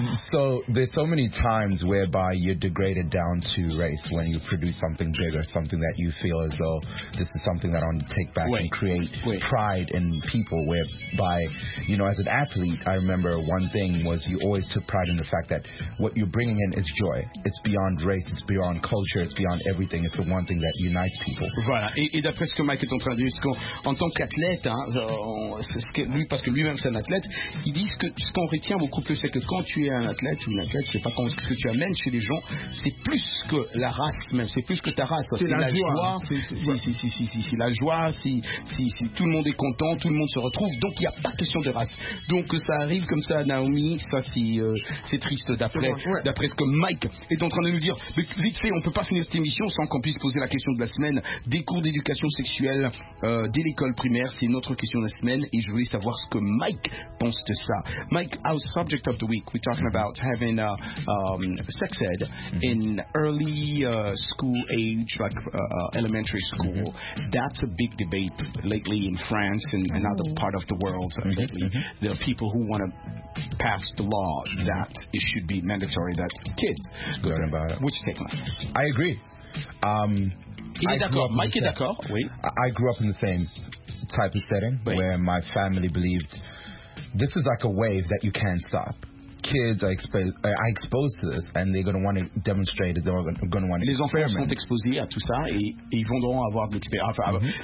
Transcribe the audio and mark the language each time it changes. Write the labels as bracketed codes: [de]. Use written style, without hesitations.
[en] So there's so many times whereby you're degraded down to race when you produce something bigger, something that you feel as though this is something that I want to take back and create pride in people whereby, you know, as an athlete, I remember one thing was you always took pride in the fact that what you're bringing in is joy. It's beyond race, it's beyond culture, it's beyond everything. It's the one thing that unites people. [fr] Voilà, et d'après ce que Mike est en train de dire, en tant qu'athlète, hein, parce que lui-même c'est un athlète, il dit que ce qu'on retient beaucoup plus, c'est que quand tu es un athlète ou une athlète, je sais pas comment, ce que tu amènes chez les gens, c'est plus que la race même, c'est plus que ta race. C'est la joie, tout le monde est content, tout le monde se retrouve, donc il n'y a pas question de race. Donc ça arrive comme ça à Naomi, ça c'est triste d'après ce que Mike est en train de nous dire. Mais vite fait, on ne peut pas finir cette émission sans qu'on puisse poser la question de la semaine des cours d'éducation sexuelle dès l'école primaire. C'est notre question de la semaine et je voulais savoir ce que Mike pense de ça. [en] Mike, our subject of the week, we're talking about having sex ed in early school age, like elementary school. That's a big debate lately in France and another part of the world. There are people who want to pass the law that it should be mandatory that kids learn about it. What's your take, Mike? I agree. [fr] Mike is d'accord. Oui. [en] I grew up in the same type of setting where my family believed this is like a wave that you can't stop. Kids are exposed to this, and they're going to want to demonstrate it. They're going to want to. [fr] Les enfants sont exposés à tout ça, et ils vont avoir de l'expérience, apprendre.